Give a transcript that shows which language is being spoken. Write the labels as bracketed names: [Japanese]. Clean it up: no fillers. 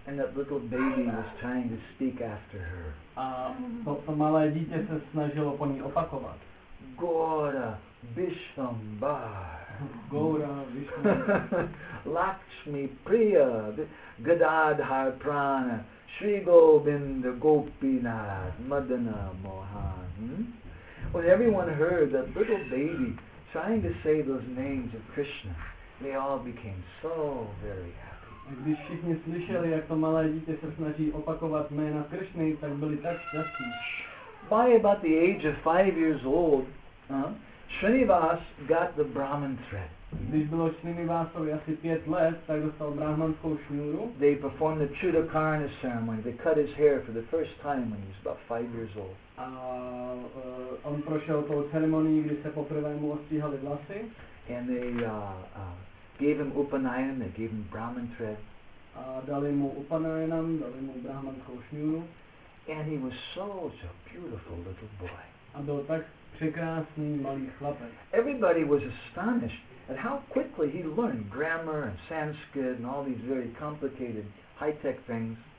[English] And that little baby was trying to speak after her. [Czech] A to malé dítě se snažilo po ní opakovat. Gora Vishambar. Gora Vishambar. Lakshmi Priya Gadadhar Prana Sri Govinda Gopinath Madana Mohan. [English] When everyone heard that little baby trying to say those names of Krishna, they all became so very happy. [Czech] Když všichni slyšeli, jak to malé dítě se snaží opakovat jména Krishny, tak byli tak šťastní. [English] By about the age of 5 years old, Srinivas got the Brahman thread. [Czech] Když bylo Srinivasovi asi 5 let, tak dostal brahmanskou šňůru. [English] They performed the Chudakarna ceremony. They cut his hair for the first time when he was about 5 years old. [Czech] A on prošel tou ceremonii, kdy se poprvé mu ostříhali vlasy. [English] And they gave him upanayan, they gave him Brahman thread. [Czech] A dali mu upanayanam, dali mu brahmanskou šňůru. [English] And he was such a beautiful little boy. [Czech] A byl tak překrásný malý chlapec. [English] Everybody was astonished at how quickly he learned grammar and Sanskrit and all these very complicated high-tech things.